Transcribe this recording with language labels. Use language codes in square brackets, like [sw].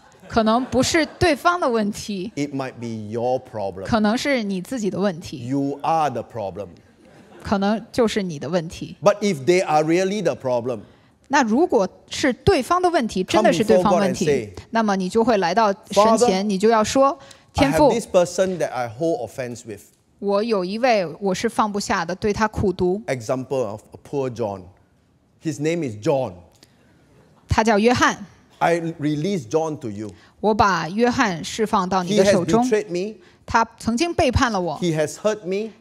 [zh] 可能不是对方的问题 [en] It might be your problem. [zh] 可能是你自己的问题 [en] You are the problem. [zh] 可能就是你的问题 [en] But if they are really the problem, [zh] 那如果是对方的问题真的是对方问题 [en] Come before God and say, [zh] 那么你就会来到神前 [en] Father, [zh] 你就要说天父 [en] I have this person that I hold offense with. [zh] 我有一位我是放不下的对他苦读 [en] Example of a poor John. His name is John. [zh] 他叫约翰 [en] I release John to you. [zh] 我把约翰释放到你的手中。 [en] He has betrayed me. [zh] 他曾经背叛了我。 [en] He has hurt me.